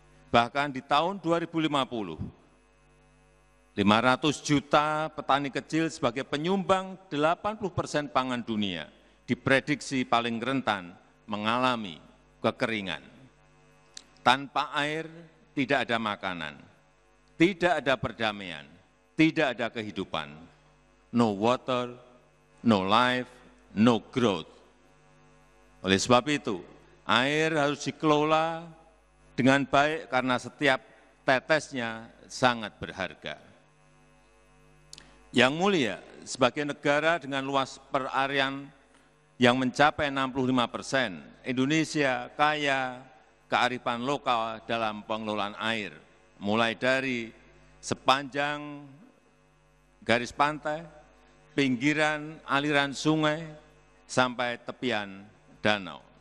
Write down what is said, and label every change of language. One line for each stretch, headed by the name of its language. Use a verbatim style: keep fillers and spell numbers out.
Indonesian: Bahkan di tahun dua ribu lima puluh, lima ratus juta petani kecil sebagai penyumbang delapan puluh persen pangan dunia diprediksi paling rentan mengalami kekeringan. Tanpa air tidak ada makanan, tidak ada perdamaian, tidak ada kehidupan.
English: No water, no life, no growth.
Indonesian: Oleh sebab itu, air harus dikelola dengan baik karena setiap tetesnya sangat berharga. Yang mulia, sebagai negara dengan luas perarian yang mencapai enam puluh lima persen, Indonesia kaya kearifan lokal dalam pengelolaan air, mulai dari sepanjang garis pantai, pinggiran aliran sungai, sampai tepian danau.